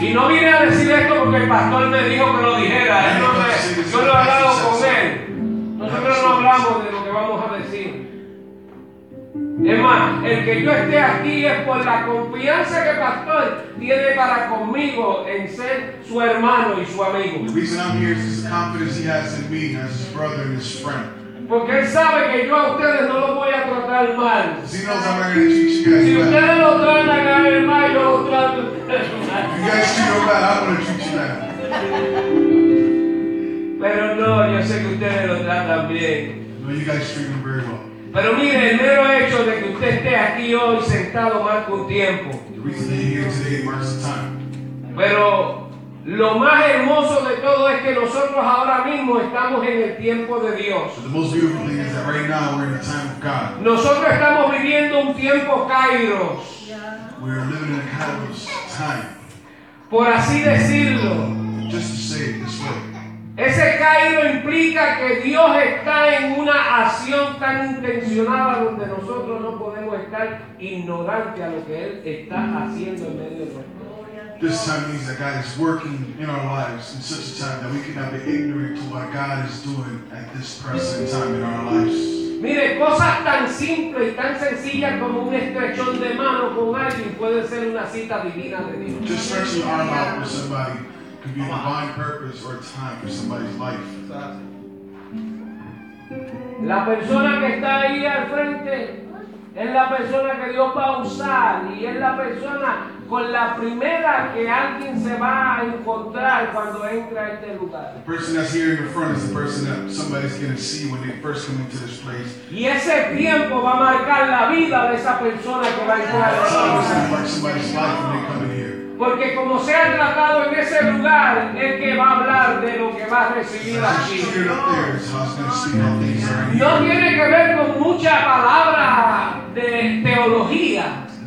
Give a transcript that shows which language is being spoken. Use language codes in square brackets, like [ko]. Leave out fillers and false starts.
[es] Y no vine a decir esto porque el pastor me dijo que lo dijera. Yo lo he hablado con él. Nosotros no hablamos de lo que vamos a decir. Es más, el que yo esté aquí es por la confianza que el pastor tiene para conmigo en ser su hermano y su amigo. [en] The reason I'm here is the confidence he has in me as his brother and his friend. [es] Porque él sabe que yo a ustedes no los voy a tratar mal. [en] He knows I'm not going to treat you guys [es] si [en] bad. [es] Ustedes lo tratan a él mal, yo lo trato mal. [en] If you guys treat me bad, I'm going to treat you bad. time. [es] Pero no, yo sé que ustedes lo tratan bien. [en] No, you guys treat them very well. [es] Pero mire, el mero hecho de que usted esté aquí hoy sentado marca un tiempo. [en] The reason that you're here today marks the time. [es] Pero lo más hermoso de todo es que nosotros ahora mismo estamos en el tiempo de Dios. [en] So the most beautiful thing is that right now we're in the time of God. [es] Nosotros estamos viviendo un tiempo kairos. [en] Yeah. We are living in a kairos time. [es] Por así decirlo. [en] Just to say it this way. [es] Ese kairos implica que Dios está en una acción tan intencionada donde nosotros no podemos estar ignorantes a lo que Él está haciendo en medio de nosotros. [en] This time means that God is working in our lives in such a time that we cannot be ignorant to what God is doing at this present time in our lives. [es] Mire, cosas tan simples y tan sencillas como un estrechón de mano con alguien puede ser una cita divina de Dios. [en] Just stretching our mouth with somebody could be a divine purpose or a time for somebody's life. [es] La persona que está ahí al frente es la persona que Dios va a usar y es la persona con la primera que alguien se va a encontrar cuando entra a este lugar. [en] The person that's here in the front is the person that somebody's going to see when they first come into this place. [es] Y ese tiempo va a marcar la vida de esa persona que va a entrar. [en] It's always going to mark somebody's life when they come in here. [es] Porque como se ha tratado en ese lugar, es que va a hablar de lo que va a recibir aquí. No tiene que ver con mucha palabra de teología.